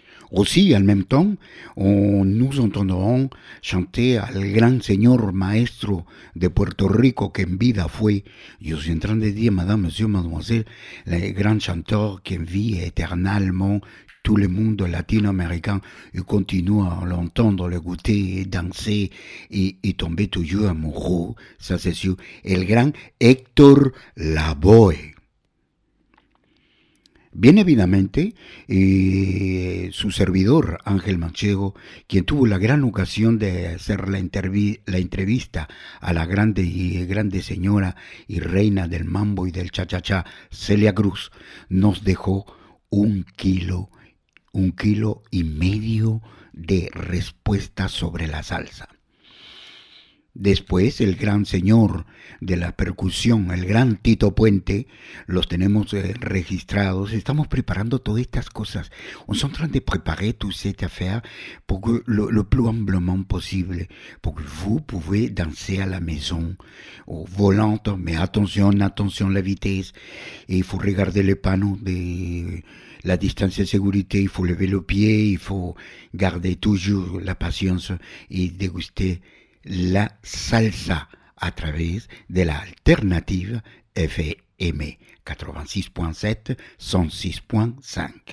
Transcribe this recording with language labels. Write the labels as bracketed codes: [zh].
[fr] Aussi, en même temps, nous entendrons chanter [es] al gran señor maestro de Puerto Rico que en vida fue, yo soy [fr] en train de dire, madame, monsieur, mademoiselle, le grand chanteur qui vit éternellement tout le monde latino-américain et continue à l'entendre, le goûter, danser et tomber toujours amoureux, ça c'est sûr, el gran Héctor Lavoe. [es] Bien évidemente, su servidor, Ángel Manchego, quien tuvo la gran ocasión de hacer la entrevista a la grande y grande señora y reina del mambo y del cha-cha-cha, Celia Cruz, nos dejó un kilo y medio de respuestas sobre la salsa. Después, el gran señor de la percusión, el gran Tito Puente, los tenemos registrados. Estamos preparando todas estas cosas. [fr] On est en train de préparer toute cette affaire pour que le plus humblement possible, pour que vous pouvez danser à la maison, au volant, mais attention à la vitesse. Et il faut regarder le panneau de la distance de sécurité, il faut lever le pied, il faut garder toujours la patience et déguster la salsa à travers de l'alternative FM 86.7 106.5.